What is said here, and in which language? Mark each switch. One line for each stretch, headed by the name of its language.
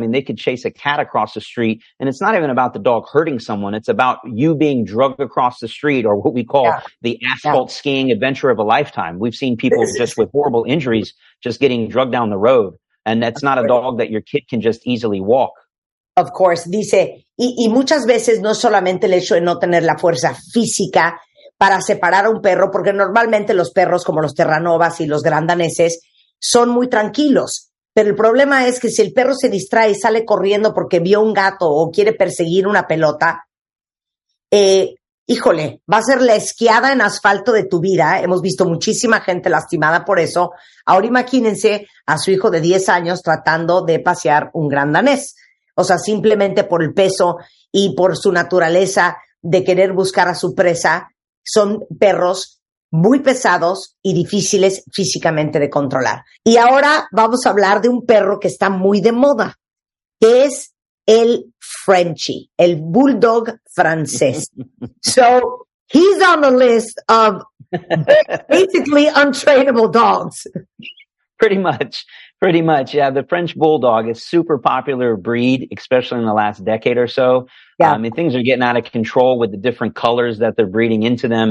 English: I mean, they could chase a cat across the street, and it's not even about the dog hurting someone. It's about you being drugged across the street, or what we call the asphalt skiing adventure of a lifetime. We've seen people just with horrible injuries just getting drugged down the road. And that's not a dog that your kid can just easily walk. Of course,
Spanish: dice, y muchas veces no solamente el hecho de no tener la fuerza física para separar a un perro, porque normalmente los perros como los terranovas y los grandaneses son muy tranquilos. Pero el problema es que si el perro se distrae y sale corriendo porque vio un gato o quiere perseguir una pelota, híjole, va a ser la esquiada en asfalto de tu vida. Hemos visto muchísima gente lastimada por eso. Ahora imagínense a su hijo de 10 años tratando de pasear un grandanés. O sea, simplemente por el peso y por su naturaleza de querer buscar a su presa, son perros muy pesados y difíciles físicamente de controlar. Y ahora vamos a hablar de un perro que está muy de moda, que es el Frenchie, el bulldog francés.
English: So, he's on the list of basically untrainable dogs. Pretty much. Yeah, the French bulldog is super popular breed, especially in the last decade or so. Yeah. I mean, things are getting out of control with the different colors that they're breeding into them.